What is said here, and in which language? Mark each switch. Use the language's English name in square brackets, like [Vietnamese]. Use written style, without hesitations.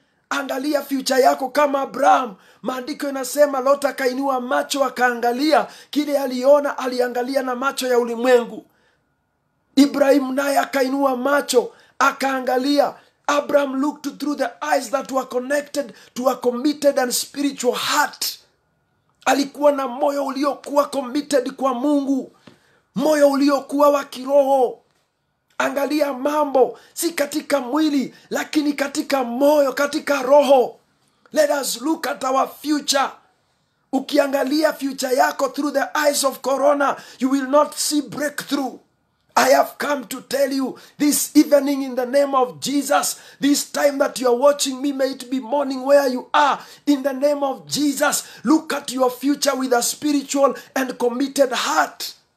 [Swahili] Angalia future yako kama Abraham. Maandiko inasema Lot akainua macho akaangalia kile aliona, aliangalia na macho ya ulimwengu. Ibrahim naye akainua macho akaangalia. [English] Abraham looked through the eyes that were connected to a committed and spiritual heart. [Swahili] Alikuwa na moyo uliokuwa committed kwa Mungu, moyo uliokuwa wa kiroho. Angalia mambo, si katika mwili, lakini katika moyo, katika roho. [English] Let us look at our future. [Swahili] Ukiangalia future yako [English] through the eyes of corona, you will not see breakthrough. I have come to tell you this evening in the name of Jesus, this time that you are watching me, may it be morning where you are, in the name of Jesus, look at your future with a spiritual and committed heart.